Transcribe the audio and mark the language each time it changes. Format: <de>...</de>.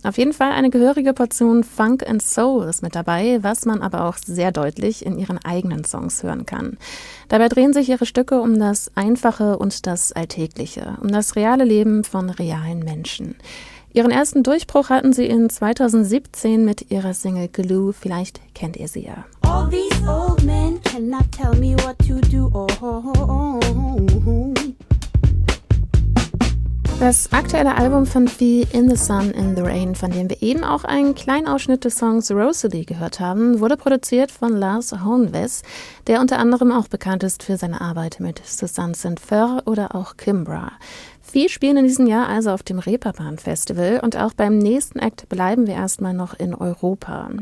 <de>Auf jeden Fall eine gehörige Portion Funk and Soul ist mit dabei, was man aber auch sehr deutlich in ihren eigenen Songs hören kann. Dabei drehen sich ihre Stücke um das Einfache und das Alltägliche, um das reale Leben von realen Menschen. Ihren ersten Durchbruch hatten sie in 2017 mit ihrer Single Glue. Vielleicht kennt ihr sie ja.</de> <en>All these old men cannot tell me what to do. Oh, oh, oh, oh.</en> <de>Das aktuelle Album von Fee, In the Sun, In the Rain, von dem wir eben auch einen kleinen Ausschnitt des Songs Rosalie gehört haben, wurde produziert von Lars Hohnwess, der unter anderem auch bekannt ist für seine Arbeit mit Susanne St. Fur oder auch Kimbra. Fee spielen in diesem Jahr also auf dem Reeperbahn-Festival und auch beim nächsten Act bleiben wir erstmal noch in Europa.</de>